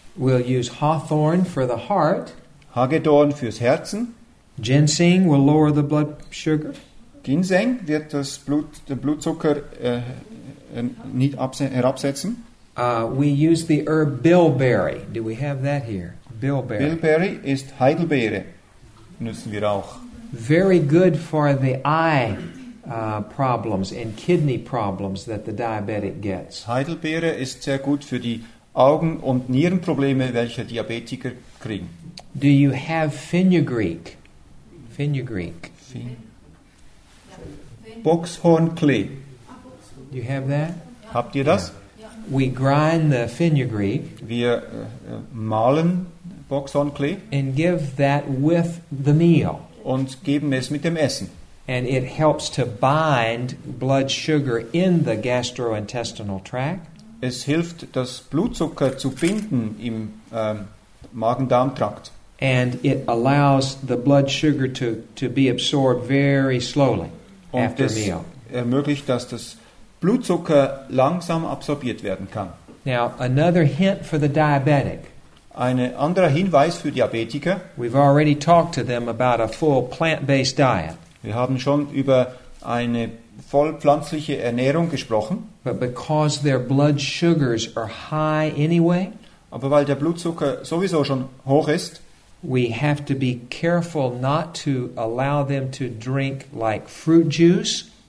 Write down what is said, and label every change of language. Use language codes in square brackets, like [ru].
[en] We'll use Hawthorn for the heart. [de] Hagedorn fürs Herzen. [en] Ginseng will lower the blood sugar. [de] Ginseng wird den Blutzucker herabsetzen. [en] We use the herb bilberry. Do we have that here? Bilberry. [de] Bilberry ist Heidelbeere. Nutzen wir auch. [en] Very good for the eye. Problems and kidney problems that the diabetic gets. [de] Heidelbeere ist sehr gut für die Augen- und Nierenprobleme, welche Diabetiker kriegen. [en] Do you have fenugreek? Fenugreek. [de] Boxhornklee. [en] Do you have that? [de] Habt ihr das? [en] Yeah. We grind the fenugreek. [de] Wir mahlen Boxhornklee. [en] And give that with the meal. [de] Und geben es mit dem Essen. [en] And it helps to bind blood sugar in the gastrointestinal tract. [de] Es hilft, das Blutzucker zu binden im Magen-Darm-Trakt. [en] And it allows the blood sugar to be absorbed very slowly [de] und [en] after [de] das [en] meal. [de] Ermöglicht, dass das Blutzucker langsam absorbiert werden kann. [en] Now, another hint for the diabetic. [de] Ein anderer Hinweis für Diabetiker. [en] We've already talked to them about a full plant-based diet. [de] Wir haben schon über eine voll pflanzliche Ernährung gesprochen. [en] But because their blood sugars are high anyway, [de] aber weil der Blutzucker sowieso schon hoch ist, [en] we have to be careful not to allow them to drink like fruit juice.